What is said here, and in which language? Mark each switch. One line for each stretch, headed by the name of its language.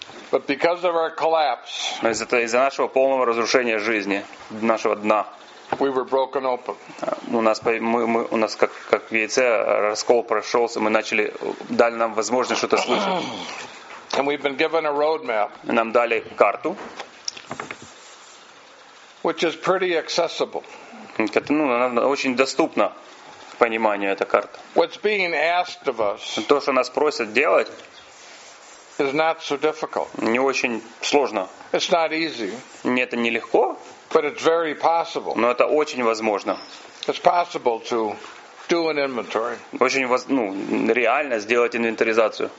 English: But because of our collapse.
Russian: Но из-за нашего полного разрушения жизни, нашего дна.
English: We were broken open.
Russian: У нас как яйце раскол прошелся, мы начали дали нам возможность что-то слышать.
English: And we've been given a roadmap.
Russian: Нам дали карту.
English: Which is pretty accessible.
Russian: Она очень доступна. Пониманию эта карта.
English: What's being asked of us,
Russian: то, что нас просят делать,
English: is not so difficult.
Russian: Не очень сложно.
English: It's not easy.
Russian: Не, это нелегко.
English: But it's very possible.
Russian: Но это очень возможно.
English: It's possible to do an inventory.
Russian: Очень реально сделать инвентаризацию.